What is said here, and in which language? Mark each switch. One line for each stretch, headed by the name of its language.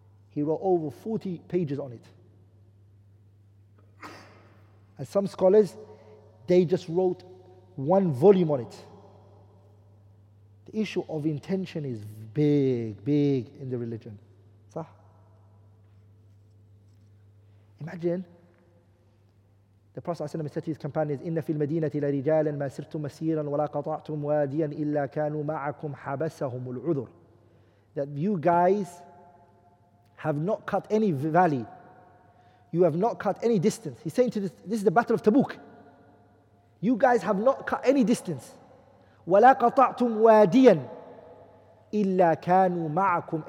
English: He wrote over 40 pages on it. And some scholars, they just wrote one volume on it. The issue of intention is big, big in the religion. Sah? Imagine, the Prophet ﷺ said to his companions,
Arabic: إِنَّ فِي الْمَدِينَةِ لَرِجَالًا مَا سِرْتُمْ مَسِيرًا وَلَا قَطَعْتُمْ وَادِيًا إِلَّا كَانُوا مَعَكُمْ حَبَسَهُمُ الْعُذُرُ.
English: That you guys have not cut any valley. You have not cut any distance. He's saying to this is the battle of Tabuk. You guys have not cut any distance.
Arabic: وَلَا قَطَعْتُمْ وَادِيًا إِلَّا كَانُوا مَعَكُمْ.